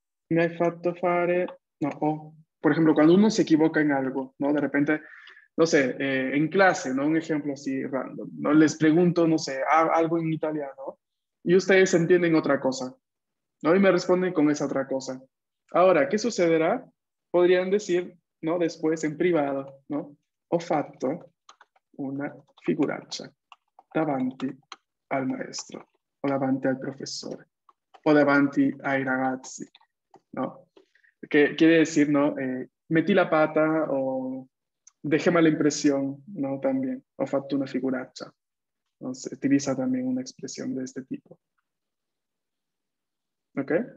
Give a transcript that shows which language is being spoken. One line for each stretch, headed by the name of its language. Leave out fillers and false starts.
Italian: Me ha fatto fare,
Spanish: no, por ejemplo, cuando uno se equivoca en algo, ¿no? De repente, no sé, en clase, ¿no? Un ejemplo así random, ¿no? Les pregunto, no sé, algo en italiano, y ustedes entienden otra cosa, ¿no? Y me responden con esa otra cosa. Ahora, ¿qué sucederá? Podrían decir, ¿no? Después, en privado, ¿no?
Italian: Ho fatto una figuraccia davanti al maestro, o davanti al profesor, o davanti ai ragazzi.
Spanish: ¿No? Que quiere decir, ¿no? Metí la pata o dejé mala impresión, ¿no? También, o facto una figuracha. ¿No? Se utiliza también una expresión de este tipo. ¿Ok?